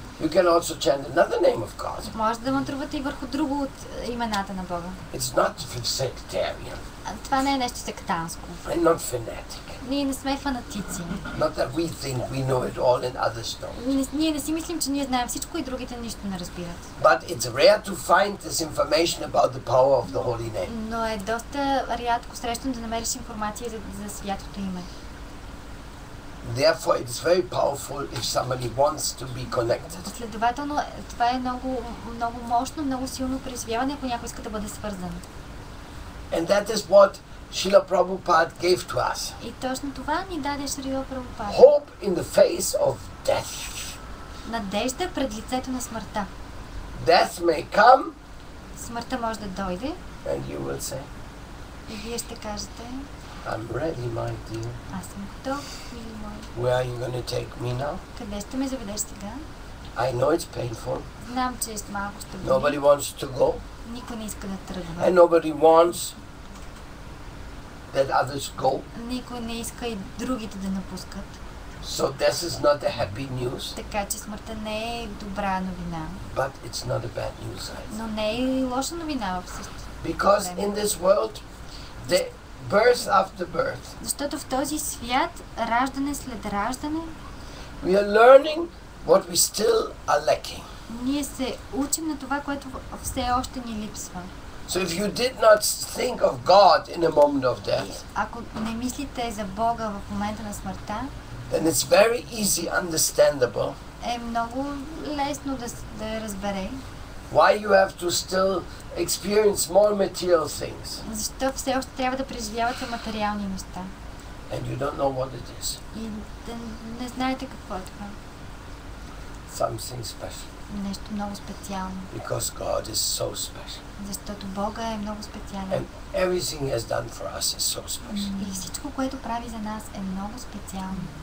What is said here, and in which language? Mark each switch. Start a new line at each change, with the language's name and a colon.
English: You can also chant another name of God.
Bulgarian: Може да мантрувате и върху друго от имената на Бога.
English: It's not sectarian.
Bulgarian: Това не е нещо сектанско.
English: And not fanatic.
Bulgarian: Ние не сме фанатици.
English: Not that we think we know it all and others don't.
Bulgarian: Ние не си мислим, че ние знаем всичко и другите нищо не разбират.
English: But it's rare to find this information about the power of the holy name.
Bulgarian: Но е доста рядко срещано да намериш информация за святото име.
English: Therefore, it is very powerful if somebody wants to be connected.
Bulgarian: Следователно, това е много, много мощно, много силно призвяване, ако някой иска да бъде свързан.
English: And that is what Srila Prabhupada gave to us.
Bulgarian: И точно това ни даде Шрила Прабхупада.
English: Hope in the face of death.
Bulgarian: Надежда пред лицето на смъртта.
English: Death may come.
Bulgarian: Смъртта може да дойде.
English: And you will say.
Bulgarian: И вие ще кажете.
English: I'm ready, my dear.
Bulgarian: Аз съм готов, мили мой.
English: Where are you going to take me now?
Bulgarian: Къде ще ме заведеш сега?
English: I know it's painful.
Bulgarian: Знам, че е малко ще бъде.
English: Nobody wants to go.
Bulgarian: Никой не иска да тръгне.
English: And nobody wants that others go.
Bulgarian: Никой не иска и другите да напускат.
English: So this is not a happy news.
Bulgarian: Така че смъртта не е добра новина.
English: But it's not a bad news.
Bulgarian: Но не е и лоша новина всъщност.
English: Because in this world, birth after birth.
Bulgarian: Защото в този свят раждане след раждане.
English: We are learning what we still are lacking.
Bulgarian: Ние се учим на това, което все още ни липсва.
English: So if you did not think of God in a moment of death.
Bulgarian: Ако не мислите за Бога в момента на смъртта.
English: then it's very easy understandable.
Bulgarian: Е много лесно да разбере.
English: Why you have to still experience more material things?
Bulgarian: Защо все още трябва да преживявате материални неща?
English: And you don't know what it is.
Bulgarian: И не знаете какво е това.
English: Something special.
Bulgarian: Нещо много специално.
English: Because God is so special.
Bulgarian: Защото Бога е много специален.
English: And everything he has done for us is so special.
Bulgarian: И всичко, което прави за нас, е много специално.